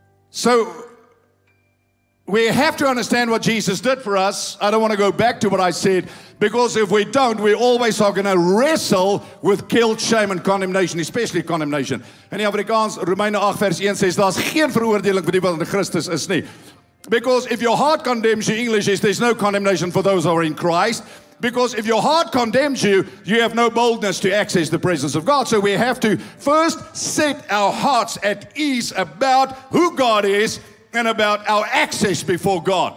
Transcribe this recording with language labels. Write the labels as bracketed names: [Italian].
[English] So, we have to understand what Jesus did for us. I don't want to go back to what I said, because if we don't, we always are going to wrestle with guilt, shame, and condemnation, especially condemnation. [Afrikaans] In die Afrikaans, Romeine 8 vers 1 says, daar is geen veroordeling vir die wat in Christus is nie. [English] Because if your heart condemns you, English is, there's no condemnation for those who are in Christ. Because if your heart condemns you, you have no boldness to access the presence of God. So we have to first set our hearts at ease about who God is and about our access before God.